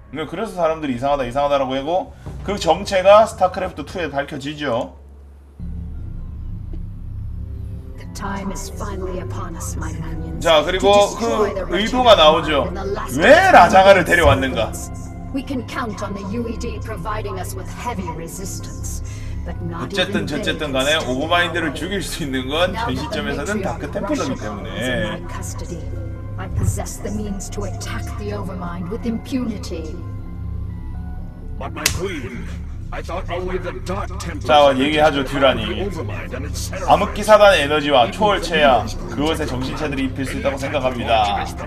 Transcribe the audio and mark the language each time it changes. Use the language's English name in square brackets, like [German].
[Korean] 그래서 사람들이 이상하다라고 하고 그 정체가 스타크래프트 2에 밝혀지죠. [English] Time is finally upon us, my minions. [Korean] 자 그리고 그 의도가 나오죠. 왜 라자가를 데려왔는가? [English] We can count on the UED providing us with heavy resistance. [Korean] 어쨌든 저쨌든 간에 오버마인드를 죽일 수 있는 건 전 시점에서는 다크 템플러기 때문에. [English] I possess the means to attack the Overmind with impunity. But my queen, I thought only the Dark [Korean] Templar. 자, 얘기하죠, 듀라니. 암흑기 사단 에너지와 초월체야 그것에 정신체들이 입힐 수 있다고 생각합니다.